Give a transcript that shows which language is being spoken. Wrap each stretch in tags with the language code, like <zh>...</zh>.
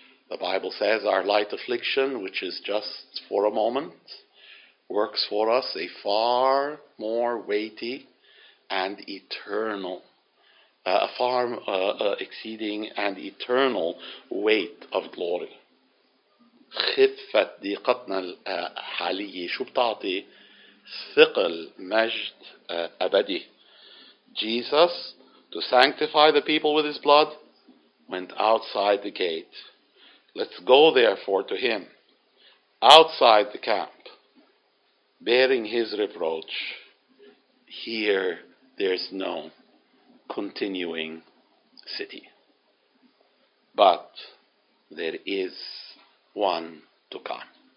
<en>The Bible says our light affliction, which is just for a moment, works for us a far more weighty and eternal, exceeding and eternal weight of glory.</en> <ar>خفت ضيقتنا الحالية شو بتعطي ثقل مجد أبدي.</ar> <en>Jesus, to sanctify the people with his blood, went outside the gate. Let's go therefore to him outside the camp, bearing his reproach. Here there's no continuing city, but there is one to come.</en>